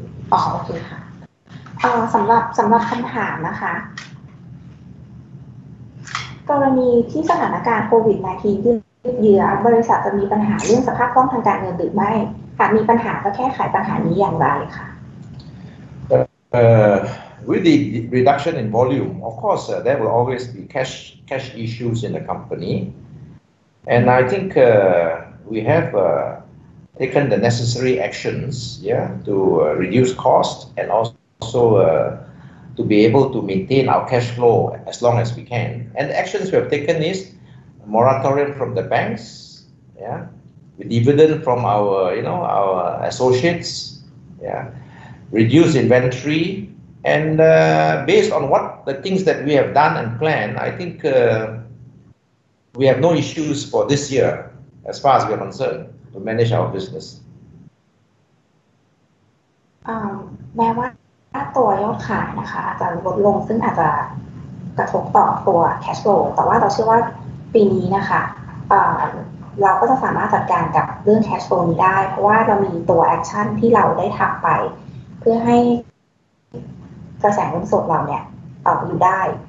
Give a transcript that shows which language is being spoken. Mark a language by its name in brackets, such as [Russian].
[Thai] โอเคค่ะสำหรับคำถามนะคะกรณีที่สถานการณ์โควิด-19 ยืดเยื้อบริษัทจะมีปัญหาเรื่องสภาพคล่องทางการเงินหรือไม่หากมีปัญหาก็แก้ไขปัญหานี้อย่างไรคะ [English] With the reduction in volume, of course, there will always be cash issues in the company. And I think we have taken the necessary actions, to reduce cost and also to be able to maintain our cash flow as long as we can. And the actions we have taken is moratorium from the banks, dividend from our associates, reduce inventory, and based on what the things that we have done and planned, I think we have no issues for this year, as far as we are concerned, to manage our business. [Thai] แม้ว่าตัวยอดขายนะคะอาจจะลดลงซึ่งอาจจะกระทบต่อตัว cash flow, แต่ว่าเราเชื่อว่าปีนี้นะคะเราก็จะสามารถจัดการกับเรื่อง cash flow นี้ได้เพราะว่าเรามีตัว action ที่เราได้ทำไปเพื่อให้กระแสเงินสดเราเนี่ยอยู่ได้